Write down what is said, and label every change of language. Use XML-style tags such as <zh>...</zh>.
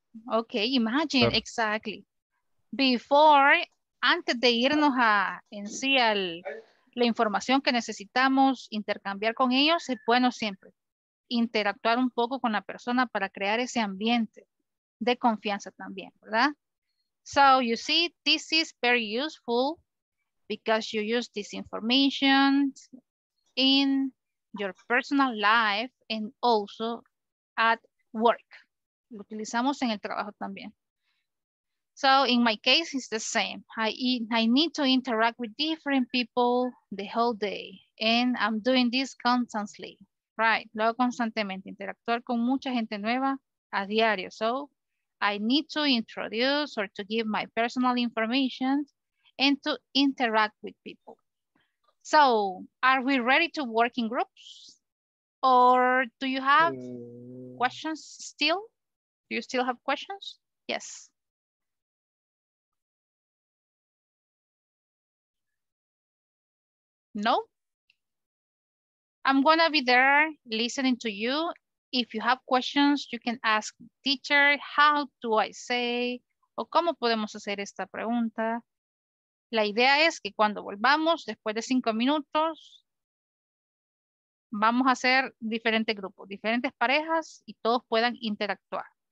<en>Okay, imagine, claro. Exactly. Before</en> <es>antes de irnos a en sí al la información que necesitamos intercambiar con ellos, es bueno siempre interactuar un poco con la persona para crear ese ambiente de confianza también, ¿verdad?</es> <en>So you see, this is very useful because you use this information in your personal life and also at work.</en> <es>Lo utilizamos en el trabajo también.</es> <en>So in my case, it's the same. I need to interact with different people the whole day. And I'm doing this constantly, right?</en> <es>Lo hago constantemente, interactuar con mucha gente nueva a diario.</es> <en>So I need to introduce or to give my personal information and to interact with people. So are we ready to work in groups? Or do you have questions still? Do you still have questions? Yes. No? I'm gonna be there listening to you. If you have questions, you can ask teacher, how do I say?</en> <es>O cómo podemos hacer esta pregunta? La idea es que cuando volvamos, después de 5 minutos, vamos a hacer diferentes grupos, diferentes parejas y todos puedan interactuar.</es>